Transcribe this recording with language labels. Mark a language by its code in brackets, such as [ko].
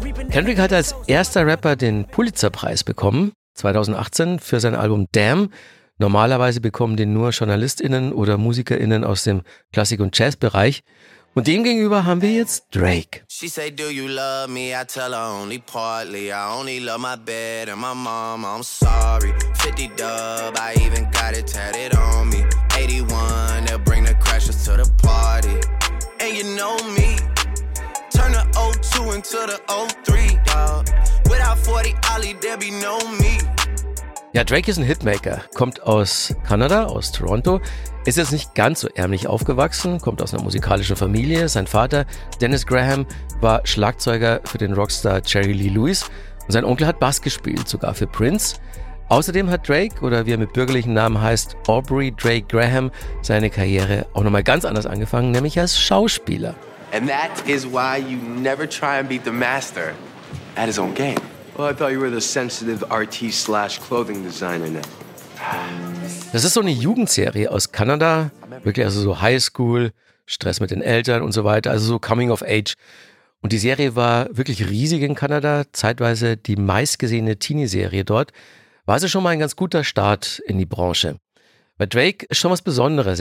[de] Kendrick hat als erster Rapper den Pulitzer-Preis bekommen, 2018, für sein Album Damn. Normalerweise bekommen den nur JournalistInnen oder MusikerInnen aus dem Klassik- und Jazz-Bereich. Und demgegenüber haben wir jetzt Drake. [en] She say, do you love me? I tell her only partly. I only love my bed and my mom, I'm sorry. 50 dub, I even got it tatted on me. 81, they'll bring the crashers to the party. And you know me, turn the 02 into the 03, dog. Without 40 Ollie, there be no me. [de] Ja, Drake ist ein Hitmaker, kommt aus Kanada, aus Toronto, ist jetzt nicht ganz so ärmlich aufgewachsen, kommt aus einer musikalischen Familie. Sein Vater, Dennis Graham, war Schlagzeuger für den Rockstar Jerry Lee Lewis und sein Onkel hat Bass gespielt, sogar für Prince. Außerdem hat Drake, oder wie er mit bürgerlichen Namen heißt, Aubrey Drake Graham, seine Karriere auch nochmal ganz anders angefangen, nämlich als Schauspieler. [en] And that is why you never try and beat the master at his own game. Well, I thought you were the sensitive RT/clothing designer now. [de] Das ist so eine Jugendserie aus Kanada, wirklich also so Highschool, Stress mit den Eltern und so weiter, also so Coming of Age. Und die Serie war wirklich riesig in Kanada, zeitweise die meistgesehene Teenie-Serie dort. War also schon mal ein ganz guter Start in die Branche. Bei Drake ist schon was Besonderes.